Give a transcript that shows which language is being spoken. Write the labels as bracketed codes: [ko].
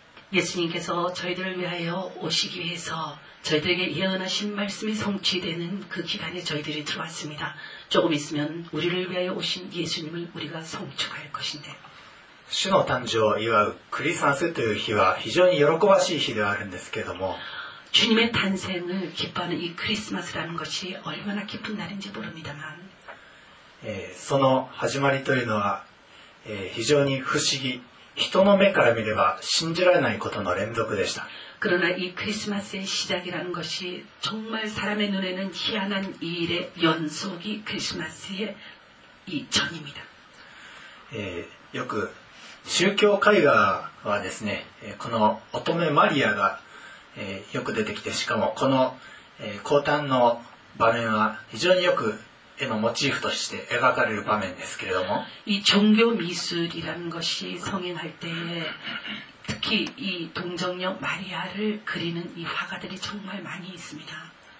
[ko] 예수님께서저희들을위하여오시기위해서저희들에게예언하신말씀이성취되는그기간에저희들이들어왔습니다조금있으면우리를위하여오신예수님을우리가송축할것인데 [ja] 主の誕生を祝うクリスマスという日は非常に喜ばしい日ではあるんですけども、 [ko] 주님의탄생을기뻐하는이크리스마스라는것이얼마나기쁜날인지모릅니다만 [ja] その始まりというのは非常に不思議、人の目から見れば信じられないことの連続でした。 [ko] 그러나이크리스마스의시작이라는것이정말사람의눈에는희한한이일의연속이크리스마스의이전입니다 [ja] よく宗教絵画はですね、この乙女マリアがよく出てきて、しかもこの降誕の場面は非常によく絵のモチーフとして描かれる場面ですけれども、 [ko] 이종교미술이라는것이성행할때에특히이동정녀마리아를그리는이화가들이정말많이있습니다